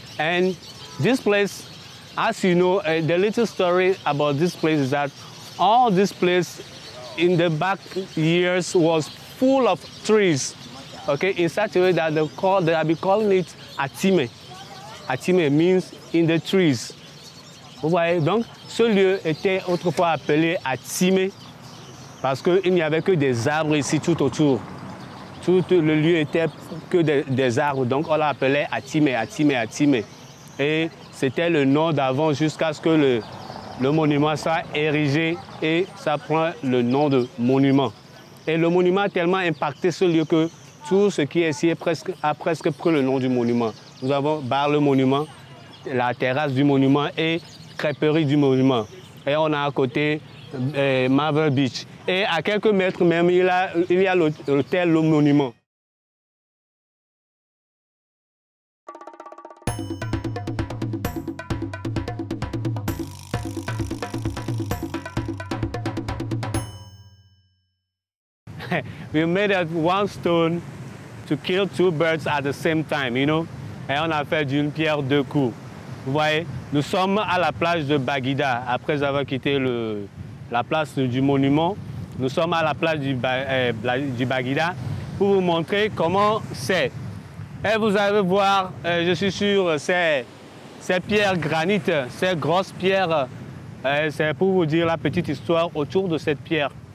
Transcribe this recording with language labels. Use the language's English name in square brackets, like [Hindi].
[English] And this place, as you know, the little story about this place is that all this place in the back years was full of trees, okay? In such a way that they have been calling it Atime. Atime means in the trees. [French] Vous voyez, donc ce lieu était autrefois appelé Atime parce qu'il n'y avait que des arbres ici tout autour. Tout le lieu était que des arbres, donc on l'appelait Atime, Atime, Atime. Et c'était le nom d'avant jusqu'à ce que le monument soit érigé et ça prend le nom de monument. Et le monument a tellement impacté ce lieu que tout ce qui est ici est presque, a presque pris le nom du monument. Nous avons Bar Le Monument, la terrasse du monument et Creperie du Monument. Et on a à côté Marvel Beach. Et à quelques mètres même, il y a l'hôtel Le Monument. [English] We made one stone to kill two birds at the same time, you know? [French] Et on a fait d'une pierre deux coups. Vous voyez, nous sommes à la plage de Baguida. Après avoir quitté la place du monument, nous sommes à la plage du Baguida pour vous montrer comment c'est. Et vous allez voir, je suis sûr, ces pierres granites, ces grosses pierres, c'est pour vous dire la petite histoire autour de cette pierre.